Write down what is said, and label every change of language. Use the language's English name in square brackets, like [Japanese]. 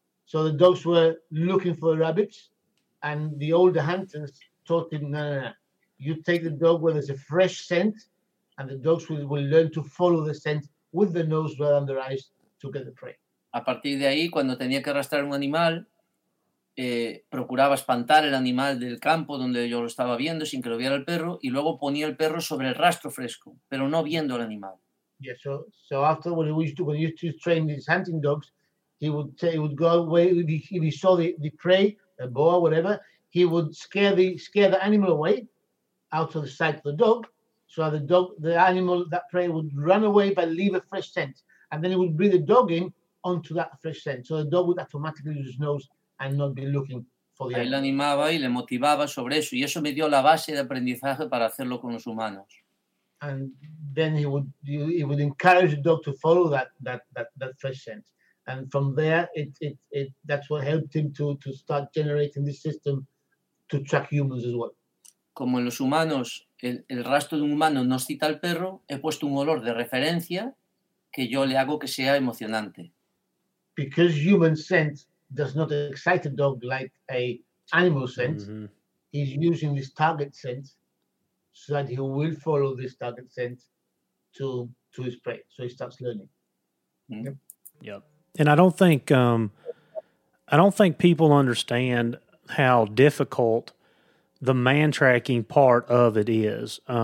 [English] So the dogs were looking for the rabbits. And the older hunters taught him, no. You take the dog where there's a fresh scent, and the dogs will learn to follow the scent with the nose rather than their eyes to get the prey. [Spanish] A partir de ahí, cuando tenía que arrastrar un animal, procuraba espantar el animal del campo donde yo lo estaba viendo sin que lo viera el perro, y luego ponía el perro sobre el rastro fresco, pero no viendo el animal. [English] Yeah, so after what he used to train these hunting dogs, he would go away if he saw the prey, a boar, whatever. He would scare the animal away, out of the sight of the dog, so the dog, the animal, that prey would run away but leave a fresh scent, and then he would bring the dog in onto that fresh scent, so the dog would automatically use his nose and not be looking for the animal. [Spanish] Ahí lo animaba y le motivaba sobre eso, y eso me dio la base de aprendizaje para hacerlo con los humanos. [English] And then he would encourage the dog to follow that fresh scent, and from there it that's what helped him to start generating this system to track humans as well. [Spanish] Como en los humanos, el rastro de un humano nos cita al perro, he puesto un olor de referencia que yo le hago que sea emocionante. [English] Because human scent does not excite a dog like a animal scent, he's using this target scent so that he will follow this target scent to his prey. So he starts learning. Mm-hmm. Yep. And I don't think people understand how difficult the man tracking part of it is.